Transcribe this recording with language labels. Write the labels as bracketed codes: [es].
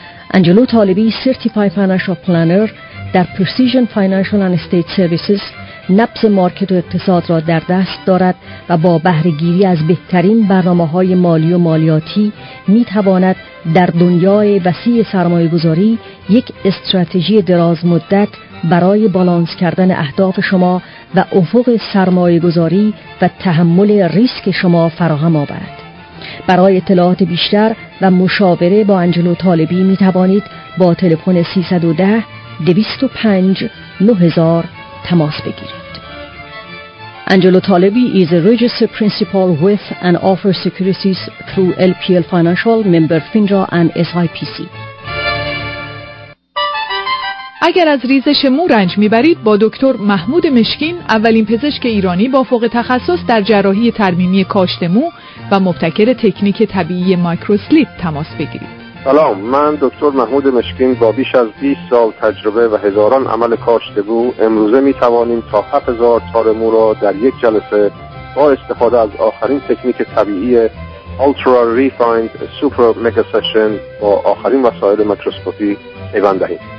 [fa] انجلو طالبی، سرتیفای فایننشال پلانر در پرسیژن فایننشال اند استیت سرویسز، نبض مارکت و اقتصاد را در دست دارد و با بهره گیری از بهترین برنامه‌های مالی و مالیاتی می‌تواند در دنیای وسیع سرمایه‌گذاری یک استراتژی دراز مدت برای بالانس کردن اهداف شما و افق سرمایه‌گذاری و تحمل ریسک شما فراهم آورد. برای اطلاعات بیشتر و مشاوره با انجلو طالبی می توانید با تلفن 310-205-9000 تماس بگیرید. [en] Angelo Talebi is a registered principal with and offers securities through LPL Financial, member FINRA and SIPC. [fa] اگر از ریزش مو رنج میبرید، با دکتر محمود مشکین، اولین پزشک ایرانی با فوق تخصص در جراحی ترمیمی کاشت مو و مبتکر تکنیک طبیعی مایکروسلیپ تماس بگیرید. سلام، من دکتر محمود مشکین با بیش از 20 سال تجربه و هزاران عمل کاشت مو، امروزه میتوانیم تا 7000 تار مو را در یک جلسه با استفاده از آخرین تکنیک طبیعی Ultra Refined Super Mega Session با آخرین وسایل میکروسکوپی پیوند دهیم.